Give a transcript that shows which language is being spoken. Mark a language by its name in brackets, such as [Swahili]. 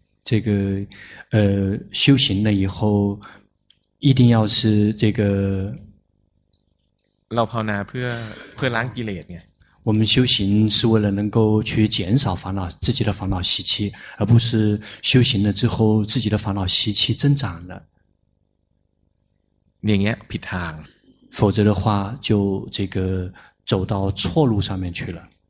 [Chinese] 这个修行了以后一定要是这个 [Thai] เราภาวนาเพื่อล้างกิเลสไง [Chinese] 我们修行是为了能够去减少烦恼自己的烦恼习气而不是修行了之后自己的烦恼习气增长了你应该 [Thai] ผิดทาง [Chinese] 否则的话就这个走到错路上面去了